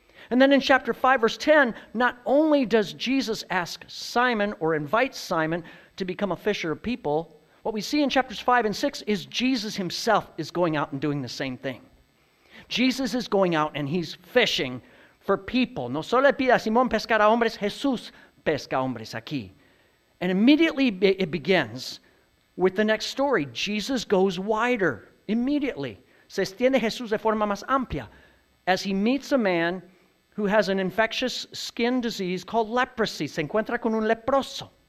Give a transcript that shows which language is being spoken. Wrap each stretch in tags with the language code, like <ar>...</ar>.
<en>And then in chapter 5, verse 10, not only does Jesus ask Simon or invite Simon to become a fisher of people, what we see in chapters 5 and 6 is Jesus himself is going out and doing the same thing. Jesus is going out and he's fishing for people.</en> <es>No solo pide a Simón pescar a hombres, Jesús pesca hombres aquí.</es> <en>And immediately it begins with the next story. Jesus goes wider immediately.</en> <es>Se extiende Jesús de forma más amplia</es> <en>as he meets a man who has an infectious skin disease called leprosy.</en> <es>Se encuentra con un leproso.</es>